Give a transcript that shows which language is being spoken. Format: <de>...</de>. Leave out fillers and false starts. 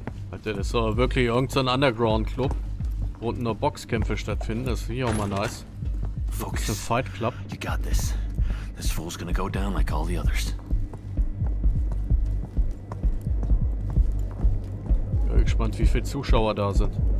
<de>Alter, das soll wirklich irgendein Underground-Club, wo unten nur Boxkämpfe stattfinden. Das ist hier auch mal nice.</de> <en>Focus.</en> <de>Ein Fight Club.</de> <en>You got this. This fool's gonna go down like all the others.</en> <de>Ich bin gespannt, wie viele Zuschauer da sind.</de>